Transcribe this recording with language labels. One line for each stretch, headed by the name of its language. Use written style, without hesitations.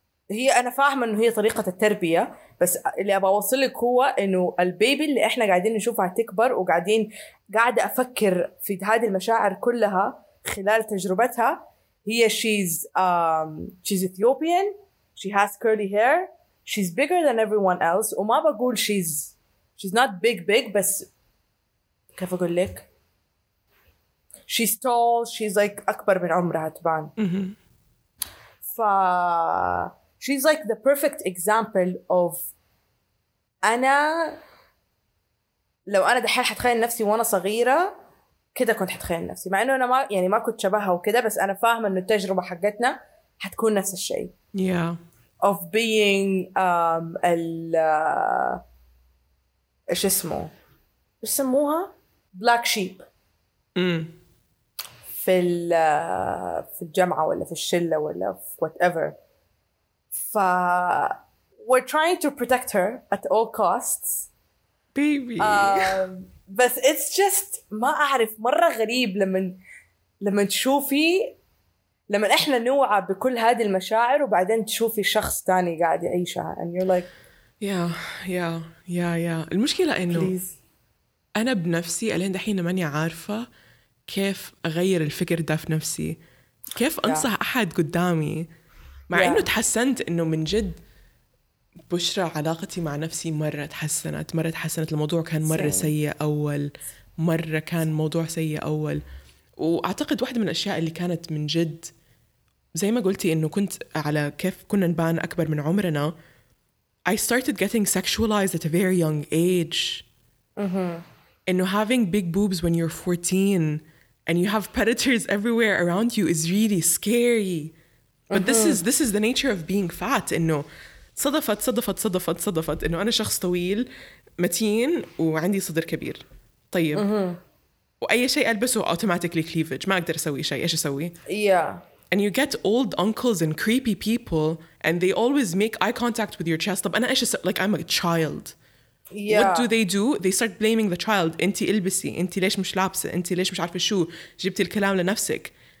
Arabic: هي أنا فاهمة إنه هي طريقة التربية بس اللي أبغى أوصل لك هو إنه البيبي اللي إحنا قاعدين نشوفها تكبر وقاعدين قاعدة أفكر في هذه المشاعر كلها خلال تجربتها هي
English: she's Ethiopian she has curly hair, she's bigger than everyone else.
Arabic: وما بقول
English: she's not big,
Arabic: بس كيف أقول لك,
English: she's tall, she's like
Arabic: أكبر من عمرها تبان. ف
English: she's like the perfect example of
Arabic: أنا لو أنا دحين حتخيل نفسي وأنا صغيرة كده كنت حتخيل نفسي, مع إنه أنا ما يعني ما كنت شبهها وكده, بس أنا فاهمة إنه التجربة حقتنا حتكون نفس الشيء.
English: Yeah. Of being
Arabic: ال إيش اسمه؟ يسموها
English: black sheep.
Arabic: في الجامعة ولا في الشلة ولا في whatever.
English: ف we're trying to protect her at all costs. Baby.
Arabic: بس
English: it's just
Arabic: ما أعرف مرة غريب لما تشوفي لما إحنا نوعى بكل هذه المشاعر وبعدين تشوفي شخص تاني قاعد يعيشها
English: and you're like yeah yeah yeah yeah.
Arabic: المشكلة إنه أنا بنفسي ألين دحين ماني عارفة كيف أغير الفكر ده في نفسي, كيف أنصح أحد قدامي مع إنه تحسنت, إنه من جد بشرة علاقتي مع نفسي مرة تحسنت. الموضوع كان مرة سيء أول, مرة كان موضوع سيء أول. وأعتقد واحدة من الأشياء اللي كانت من جد زي ما قلتي إنه كنت على كيف كنا نبان أكبر من عمرنا,
English: I started getting sexualized at a very young age.
Arabic: إنه
English: having big boobs when you're 14 and you have predators everywhere around you is really scary. But this is the nature of being fat.
Arabic: إنه صدفت إنه أنا شخص طويل متين وعندي صدر كبير. طيب وأي شيء ألبسه automatically cleavage, ما أقدر أسوي شيء, إيش أسوي؟
English: yeah. And you get old uncles and creepy people and they always make eye contact with your chest.
Arabic: طب أنا إيش أسوي؟
English: Like I'm a child. yeah. What do they do? They start blaming the child.
Arabic: أنتي إلبسي, أنتي ليش مش لابسة, أنتي ليش مش عارفة شو, جبتي الكلام لنفسك.